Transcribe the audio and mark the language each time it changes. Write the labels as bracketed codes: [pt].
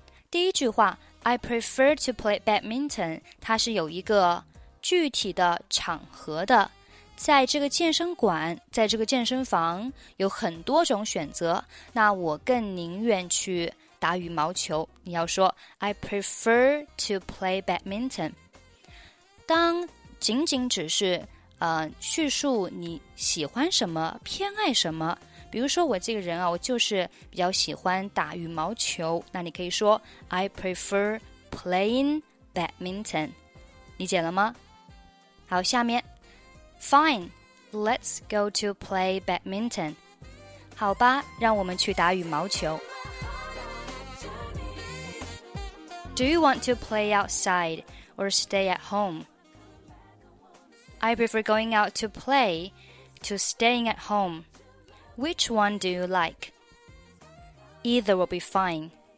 [zh] 第一句话 [en] I prefer to play badminton, [zh] 它是有一个具体的场合的。在这个健身馆，在这个健身房有很多种选择，那我更宁愿去打羽毛球。你要说 [en] I prefer to play badminton。当 [zh] 仅仅只是叙述你喜欢什么偏爱什么。比如说我这个人啊，我就是比较喜欢打羽毛球，那你可以说 [en] I prefer playing badminton。 [zh] 理解了吗？好，下面 [en] Fine, let's go to play badminton。 [zh] 好吧，让我们去打羽毛球。 [en] Do you want to play outside or stay at home? I prefer going out to play to staying at home. Which one do you like? Either will be fine.